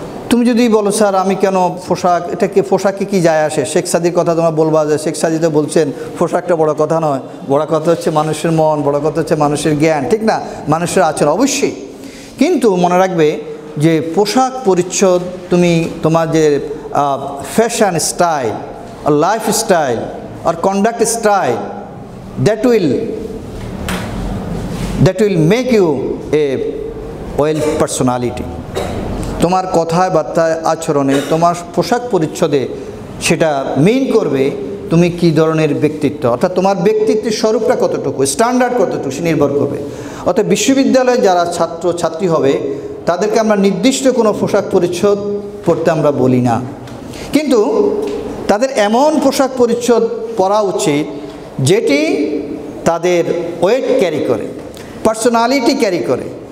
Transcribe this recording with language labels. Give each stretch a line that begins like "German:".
Bangla: তুমি যদি বলো স্যার আমি কেন পোশাক, এটাকে পোশাকে কী যায় আসে, শেখ সাদির কথা তোমার বলবা যায়, শেখ সাদি তো বলছেন পোশাকটা বড় কথা নয়, বড় কথা হচ্ছে মানুষের মন, বড় কথা হচ্ছে মানুষের জ্ঞান, ঠিক না, মানুষের আচরণ অবশ্যই, কিন্তু মনে রাখবে যে পোশাক পরিচ্ছদ তুমি তোমার যে fashion style, life style,
English: or conduct style that will make you a well personality.
Bangla: তোমার কথায় বার্তায় আচরণে তোমার পোশাক পরিচ্ছদে সেটা মেইন করবে তুমি কি ধরনের ব্যক্তিত্ব, অর্থাৎ তোমার ব্যক্তিত্বের স্বরূপটা কতটুকু, স্ট্যান্ডার্ড কতটুকু, সে নির্ভর করবে। অর্থাৎ বিশ্ববিদ্যালয়ে যারা ছাত্র ছাত্রী হবে তাদেরকে আমরা নির্দিষ্ট কোনো পোশাক পরিচ্ছদ পড়তে আমরা বলি না, কিন্তু তাদের এমন পোশাক পরিচ্ছদ পরা উচিত যেটি তাদের ওয়েট ক্যারি করে, পার্সোনালিটি ক্যারি করে।